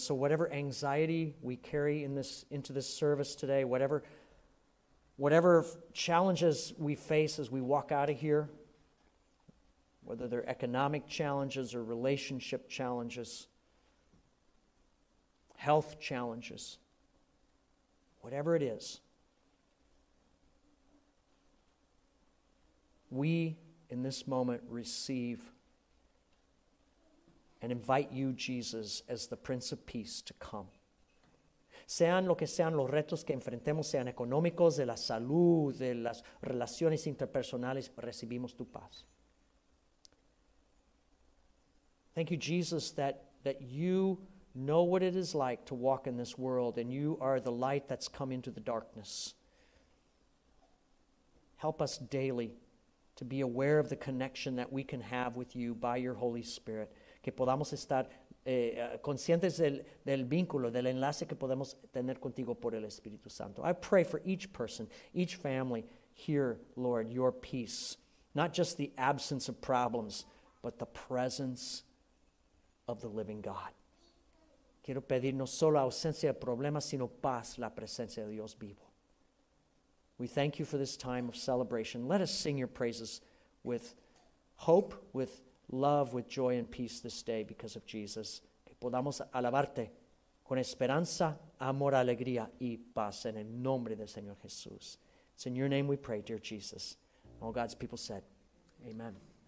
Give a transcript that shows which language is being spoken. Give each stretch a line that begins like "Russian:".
English: So whatever anxiety we carry into this service today, whatever challenges we face as we walk out of here, whether they're economic challenges or relationship challenges, health challenges, whatever it is, we in this moment receive and invite you, Jesus, as the Prince of Peace to come.
Spanish: Sean lo que sean los retos que enfrentemos, sean económicos, de la salud, de las relaciones interpersonales, recibimos tu paz.
English: Thank you, Jesus, that you know what it is like to walk in this world, and you are the light that's come into the darkness. Help us daily to be aware of the connection that we can have with you by your Holy Spirit.
Spanish: Que podamos estar conscientes del vínculo, del enlace que podemos tener contigo por el Espíritu Santo.
English: I pray for each person, each family here, Lord, your peace. Not just the absence of problems, but the presence of the living God.
Spanish: Quiero pedir no solo ausencia de problemas, sino paz, la presencia de Dios vivo.
English: We thank you for this time of celebration. Let us sing your praises with hope, with love, with joy and peace this day because of Jesus.
Spanish: Que podamos alabarte con esperanza, amor, alegría y paz en el nombre del Señor Jesús.
English: It's in your name we pray, dear Jesus. All God's people said, amen.